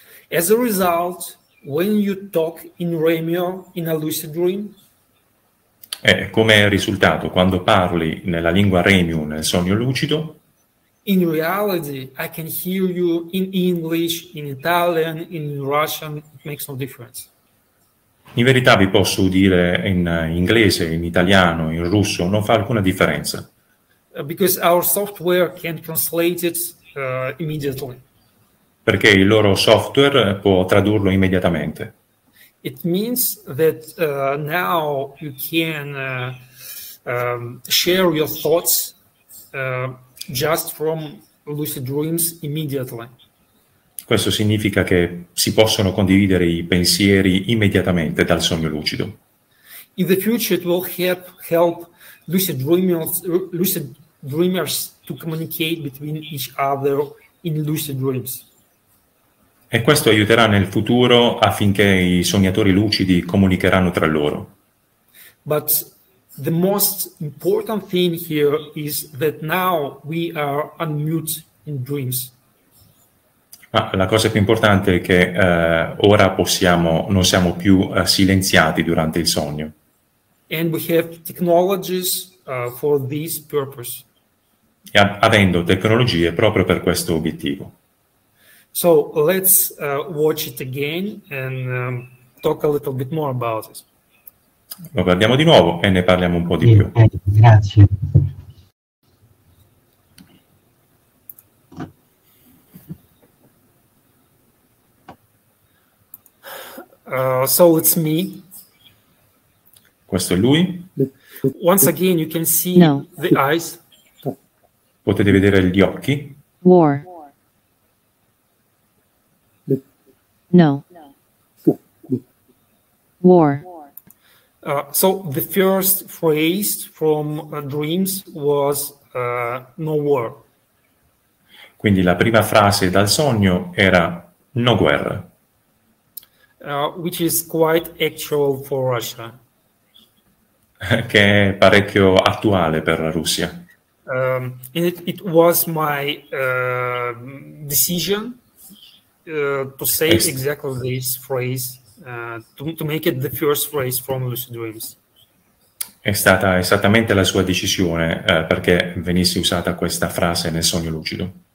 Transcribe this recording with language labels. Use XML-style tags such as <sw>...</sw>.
<en>As a result, when you talk in Remio, in a lucid dream,</en> <it>e come risultato, quando parli nella lingua Remio, nel sogno lucido,</it> <en>in reality, I can hear you in English, in Italian, in Russian, it makes no difference.</en> <it>In verità vi posso udire in inglese, in italiano, in russo, non fa alcuna differenza.</it> <en>Because our software can translate it immediately.</en> <it>Perché il loro software può tradurlo immediatamente.</it> <en>It means that now you can share your thoughts just from lucid dreams immediately.</en> <it>Questo significa che si possono condividere i pensieri immediatamente dal sogno lucido.</it> <en>In the future it will help lucid dreamers to communicate between each other in lucid dreams.</en> <it>E questo aiuterà nel futuro affinché i sognatori lucidi comunicheranno tra loro.</it> <en>But the most important thing here is that now we are unmute in dreams.</en> <it>Ma la cosa più importante è che ora possiamo, non siamo più silenziati durante il sogno.</it> <en>And we have technologies for this purpose.</en> <it>E avendo tecnologie proprio per questo obiettivo.</it> <en>So let's watch it again and talk a little bit more about it.</en> <it>Lo guardiamo di nuovo e ne parliamo un po' di più. Grazie.</it> <en>So it's me.</en> <it>Questo è lui.</it> <en>Once again you can see the eyes.</en> <it>Potete vedere gli occhi.</it> <en>War. No. War. So the first phrase from dreams was no war.</en> <it>Quindi la prima frase dal sogno era no guerra.</it> <en>Which is quite actual for Russia.</en> <it>Che è parecchio attuale per la Russia.</it> <en>It was my decision. To say exactly this phrase, to make it the first phrase from lucid dreams.</en> <it>È stata esattamente la sua decisione perché venisse usata questa frase nel sogno lucido.</it>